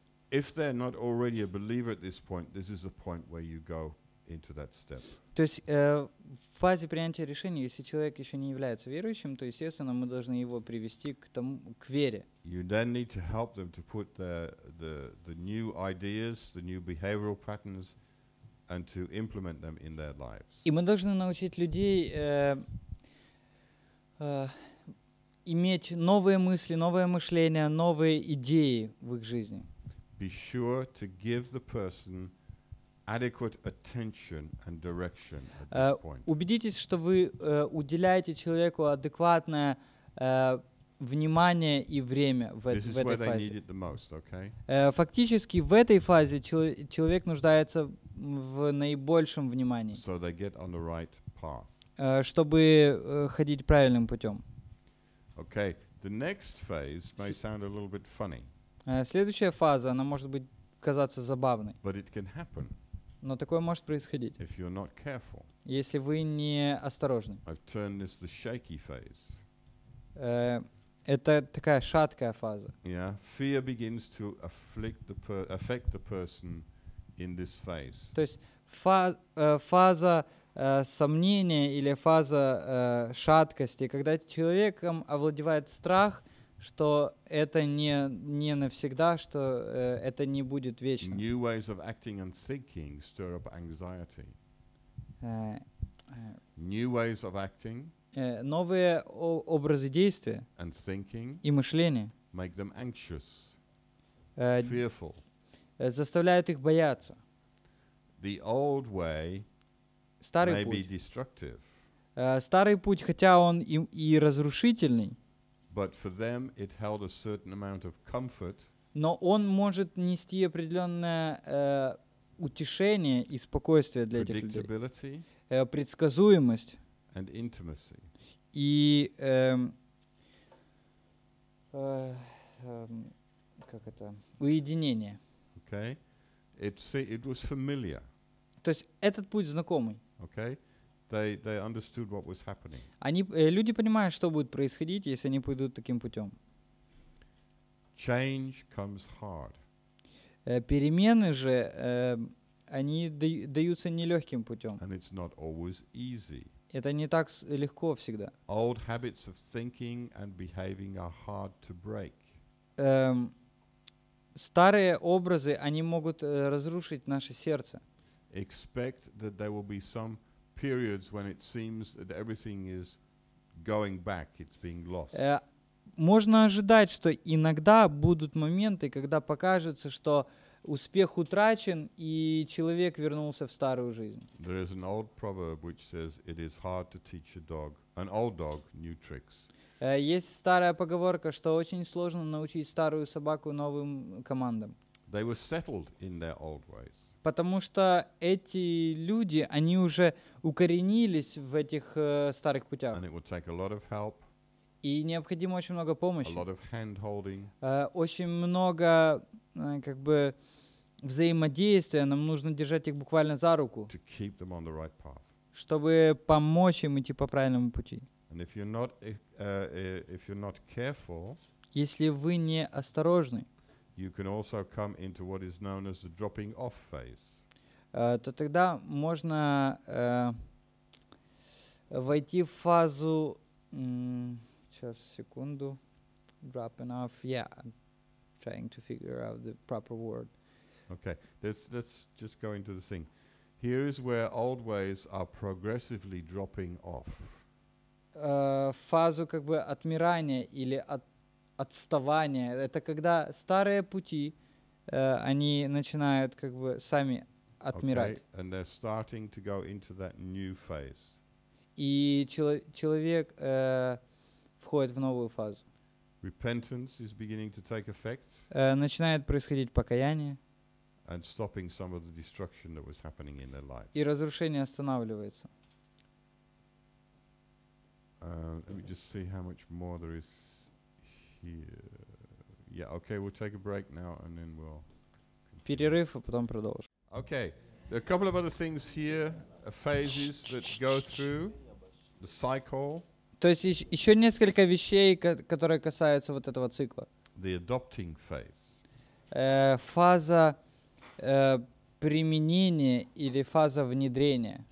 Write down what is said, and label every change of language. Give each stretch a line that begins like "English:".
English: If they're not already a believer at this point, this is the point where you go into that step.
Russian: То есть в фазе принятия решения, если человек еще не является верующим, то естественно мы должны его привести к тому, к вере.
English: You then need to help them to put the new ideas, the new behavioral patterns, and to implement them in their lives.
Russian: И мы должны научить людей иметь новые мысли, новое мышление, новые идеи в их жизни.
English: Be sure to give the person adequate attention and direction at this point.
Russian: Убедитесь, что вы уделяете человеку адекватное внимание и время в этой фазе.
English: This is where they need it the most, okay?
Russian: Фактически в этой фазе человек нуждается в наибольшем внимании.
English: So they get on the right path.
Russian: Чтобы ходить правильным путем.
English: Okay, the next phase may sound a little bit funny.
Russian: Следующая фаза, она может быть казаться забавной.
English: But it can happen.
Russian: Но такое может происходить.
English: If you're not careful.
Russian: Если вы не осторожны.
English: I've turned this the shaky phase.
Russian: Это такая шаткая фаза.
English: Yeah, fear begins to affect the person in this phase.
Russian: То есть фаза сомнение или фаза шаткости, когда человеком овладевает страх, что это не навсегда, что это не будет вечно.
English: New ways of acting and thinking stir up anxiety. New ways of acting.
Russian: Новые образы действия.
English: And thinking.
Russian: И мышление.
English: Make them anxious. Fearful.
Russian: Заставляют их бояться.
English: The old way.
Russian: Старый
English: may
Russian: путь.
English: Be destructive.
Russian: Старый путь, хотя он и разрушительный.
English: But for them it held a certain amount of comfort.
Russian: Но он может нести определенное утешение и спокойствие для этих людей. Предсказуемость.
English: And intimacy.
Russian: И как это? Уединение.
English: Okay. It was familiar.
Russian: То есть этот путь знакомый.
English: Okay, They understood what was happening.
Russian: Они, люди понимают, что будет происходить, если они пойдут таким путем.
English: Change comes hard.
Russian: Перемены же, они даются нелегким путем.
English: And it's not always easy.
Russian: Это не так легко всегда.
English: Old habits of thinking and behaving are hard to break.
Russian: Старые образы, они могут разрушить наше сердце.
English: Expect that there will be some periods when it seems that everything is going back, it's being lost.
Russian: Можно ожидать, что иногда будут моменты, когда покажется, что успех утрачен и человек вернулся в старую жизнь.
English: There is an old proverb which says it is hard to teach a dog, an old dog, new tricks.
Russian: Есть старая поговорка, что очень сложно научить старую собаку новым командам.
English: They were settled in their old ways.
Russian: Потому что эти люди, они уже укоренились в этих старых путях.
English: And it would take a lot of help.
Russian: И необходимо очень много помощи.
English: A lot of hand-holding.
Russian: Очень много как бы взаимодействия. Нам нужно держать их буквально за руку.
English: To keep them on the right path.
Russian: Чтобы помочь им идти по правильному пути.
English: And if you're not, if you're not careful,
Russian: если вы не осторожны,
English: you can also come into what is known as the dropping off phase.
Russian: То тогда можно войти в фазу сейчас секунду dropping off.
English: Yeah, I'm trying to figure out the proper word. Okay, let's just go into the thing. Here is where old ways are progressively dropping off.
Russian: Фазу как бы отмирания или отставания. Это когда старые пути, они начинают как бы сами отмирать.
English: Okay, and they're starting to go into that new phase.
Russian: И человек входит в новую фазу.
English: Repentance is beginning to take effect.
Russian: Начинает происходить покаяние.
English: And stopping some of the destruction that was happening in their life.
Russian: И разрушение останавливается.
English: Let me just see how much more there is here. Yeah, okay, we'll take a break now and then we'll continue.
Russian: Перерыв, а потом продолжим.
English: Okay, there are a couple of other things here, phases that go through, the cycle.
Russian: То есть еще несколько вещей, которые касаются вот этого цикла.
English: The adopting phase.
Russian: Фаза применения или фаза внедрения.